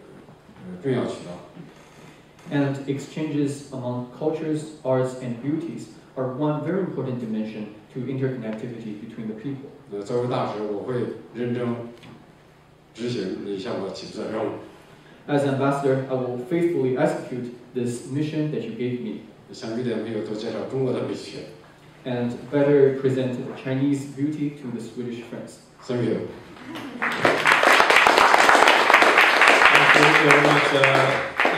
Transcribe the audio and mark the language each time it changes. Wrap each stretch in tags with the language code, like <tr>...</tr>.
<zh>文化、艺术，包括您提到的美学的交流，就是促进人心相通的重要渠道。</zh> <en>And exchanges among cultures, arts, and beauties are one very important dimension to interconnectivity between the people.</en> <zh>作为大使，我会认真执行你向我提出的任务。</zh> <en>As ambassador, I will faithfully execute this mission that you gave me. And better present the Chinese beauty to the Swedish friends. Thank you. Thank you very much.</en>